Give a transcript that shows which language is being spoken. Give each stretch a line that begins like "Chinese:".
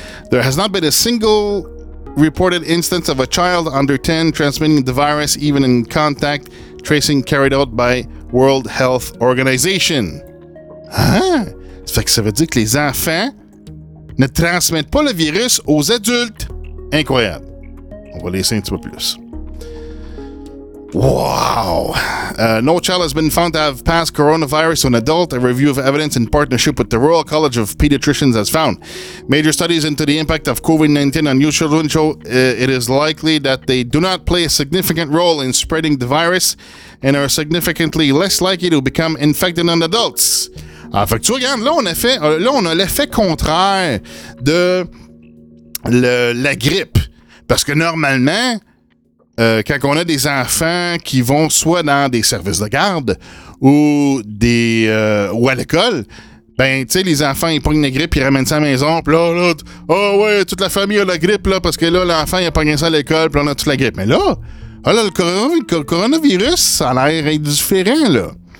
English: There has not been a single reported instance of a child under 10 transmitting the virus, even in contact tracing carried out by World Health Organization.
French: Hein? Fait que ça veut dire que les enfants ne transmettent pas le virus aux adultes. Incroyable. On va laisser un petit peu plus. Wow!
English: No child has been found to have passed coronavirus to an adult. A review of evidence in partnership with the Royal College of Pediatricians has found. Major studies into the impact of COVID-19 on youth children show it is likely that they do not play a significant role in spreading the virus and are significantly less likely to become infected on adults.
French: Ah, fait que tu regardes, là, on a l'effet contraire de la grippe. Parce que normalement, quand on a des enfants qui vont soit dans des services de garde ou à l'école, ben, tu sais, les enfants, ils pognent la grippe, ils ramènent ça à la maison, puis là, oh ouais, toute la famille a la grippe, là, parce que là, l'enfant, il a pogné ça à l'école, puis on a toute la grippe. Mais là, le coronavirus, ça a l'air différent, là.